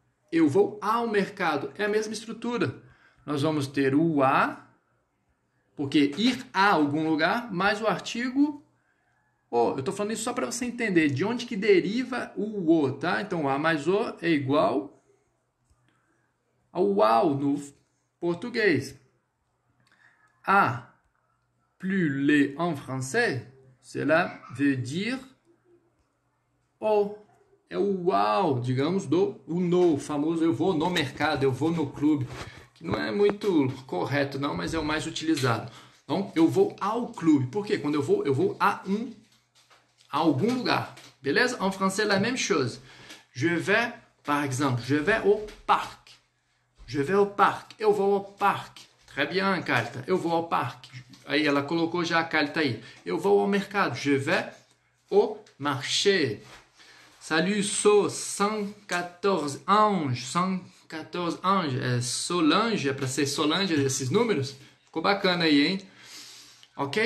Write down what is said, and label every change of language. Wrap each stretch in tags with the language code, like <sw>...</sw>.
<pt>Eu vou ao mercado. É a mesma estrutura. Nós vamos ter o a, porque ir a algum lugar, mais o artigo. Oh, eu estou falando isso só para você entender de onde que deriva o O, tá? Então, A mais O é igual ao ao no português.</pt> <fr>A plus le en français, cela veut dire O.</fr> <pt>É o ao, digamos, do o no, o famoso eu vou no mercado, eu vou no clube, que não é muito correto, não, mas é o mais utilizado. Então, eu vou ao clube. Por quê? Quando eu vou a um a algum lugar, beleza? Em francês é a mesma coisa.</pt> <fr>Je vais, par exemple, je vais au parc. Je vais au parc.</fr> <pt>Eu vou ao parque.</pt> <fr>Très bien,</fr> <pt>Carta. Eu vou ao parque. Aí ela colocou já a Carta aí. Eu vou ao mercado.</pt> <fr>Je vais au marché. Salut, sou 114 anges. 114 anges.</fr> <pt>É Solange, é para ser Solange esses números. Ficou bacana aí, hein? Ok?</pt>